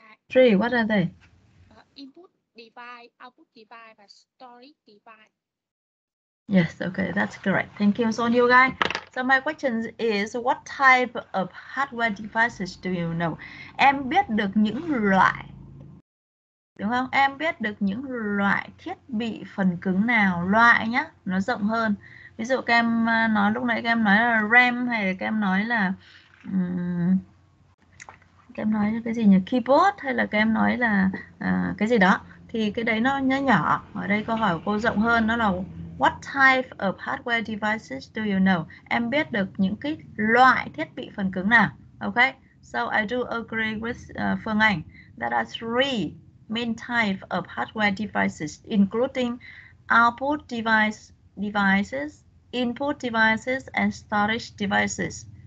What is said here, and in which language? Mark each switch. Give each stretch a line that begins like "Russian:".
English: three. What are they? Input device, output device, and storage device. Yes, okay, that's correct. Thank you, so you guys. So my question is, what type of hardware devices do you know?
Vietnamese: Em biết được những loại, đúng không? Em biết được những loại thiết bị phần cứng nào, loại nhá, nó rộng hơn. Ví dụ các em nói lúc nãy các em nói là RAM hay là các em nói là các em nói cái gì nhỉ? Keyboard hay là các em nói là cái gì đó, thì cái đấy nó nhỏ nhỏ. Ở đây câu hỏi của cô rộng hơn, nó là
English: what type of hardware devices do you know?
Vietnamese: Em biết được những cái loại thiết bị phần cứng nào?
English: Okay, so I do agree with Phương Anh. There are three main types of hardware devices, including output devices, input devices, and storage devices.